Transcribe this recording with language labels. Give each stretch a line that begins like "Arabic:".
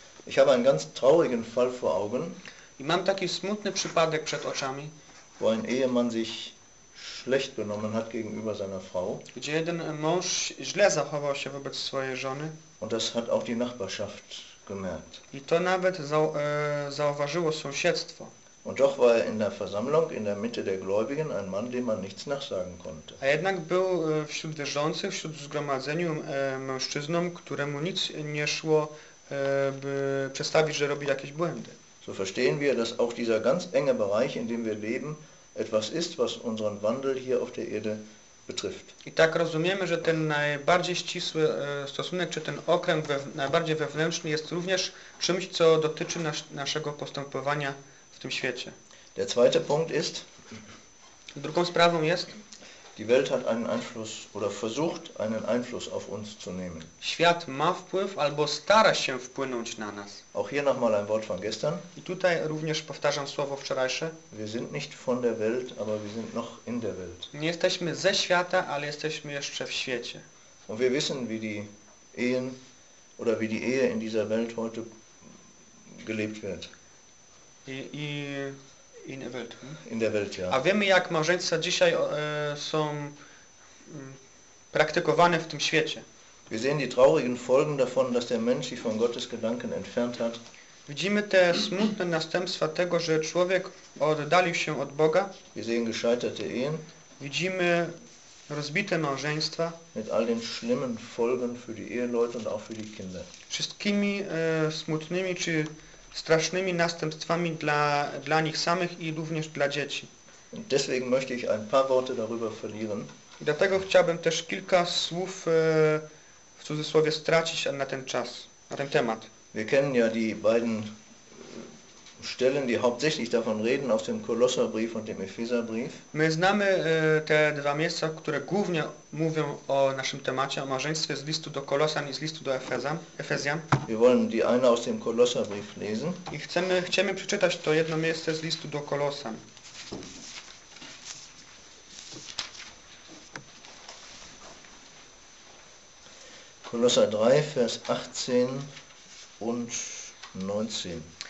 German: Ich habe einen ganz traurigen Fall vor Augen.
Polish: I mam taki smutny przypadek przed oczami.
German: Wo ein Ehemann sich schlecht benommen hat gegenüber seiner Frau.
Polish: Gdzie jeden mąż źle zachował się wobec swojej żony.
German: Und das hat auch die Nachbarschaft gemerkt.
Polish: I to nawet zauważyło sąsiedztwo.
German: Und doch war in der Versammlung in der Mitte der Gläubigen ein Mann, dem man nichts nachsagen konnte.
Polish: A jednak był wśród wierzących, wśród zgromadzenia mężczyzną, któremu nic nie szło, by przedstawić, że robi jakieś błędy.
German: So verstehen wir, dass auch dieser ganz enge Bereich, in dem wir leben, etwas ist, was unseren Wandel hier auf der Erde betrifft.
Polish: I tak rozumiemy, że ten najbardziej ścisły stosunek, czy ten okręg najbardziej wewnętrzny jest również czymś, co dotyczy naszego postępowania w tym świecie.
German: Der zweite Punkt ist,
Polish: drugą sprawą jest,
German: die Welt hat einen Einfluss oder versucht einen Einfluss auf uns zu nehmen.
Polish: Świat ma wpływ albo stara się wpłynąć na nas.
German: Auch hier nochmal ein Wort von gestern.
Polish: I tutaj również powtarzam słowo wczorajsze.
German: Wir sind nicht von der Welt, aber wir sind noch in der Welt.
Polish: Nie jesteśmy ze świata, ale jesteśmy jeszcze w świecie.
German: Und wir wissen, wie die Ehen oder wie die Ehe in dieser Welt heute gelebt wird. In der Welt, ja.
Polish: A wiemy, jak małżeństwa dzisiaj są praktykowane w tym świecie.
German: Wir sehen die traurigen Folgen davon, dass der Mensch sich von Gottes Gedanken entfernt hat.
Polish: Widzimy te smutne następstwa tego, że człowiek oddalił się od Boga.
German: Wir sehen gescheiterte Ehen.
Polish: Widzimy rozbite małżeństwa.
German: Mit all den schlimmen Folgen für die Eheleute und auch für die Kinder.
Polish: Wszystkimi smutnymi czy strasznymi następstwami dla nich samych i również dla dzieci.
German: Deswegen möchte ich ein paar Worte darüber verlieren.
Polish: I dlatego chciałbym też kilka słów w cudzysłowie stracić na ten czas, na ten temat.
German: Wir kennen ja die beiden Stellen, die hauptsächlich davon reden, aus dem Kolosserbrief und dem Epheserbrief.
Polish: My znamy te dwa miejsca, które głównie mówią o naszym temacie, o małżeństwie z listu do Kolosan i z listu do Efezjan.
German: Wir wollen die eine aus dem Kolosserbrief lesen.
Polish: I chcemy przeczytać to jedno miejsce z listu do Kolosan.
German: Kolosser 3, Vers 18 und 19.